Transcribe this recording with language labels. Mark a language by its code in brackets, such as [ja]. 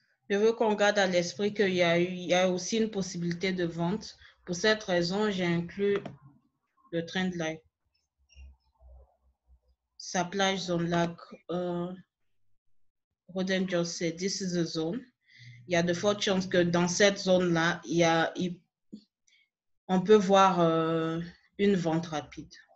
[fr] Je veux qu'on garde à l'esprit qu'il y a eu, il y a aussi une possibilité de vente. Pour cette raison, j'ai inclus le trend line. [en] Supply zone, like Roden just said, this is a zone. [fr] Il y a de fortes chances que dans cette zone-là, on peut voir une vente rapide.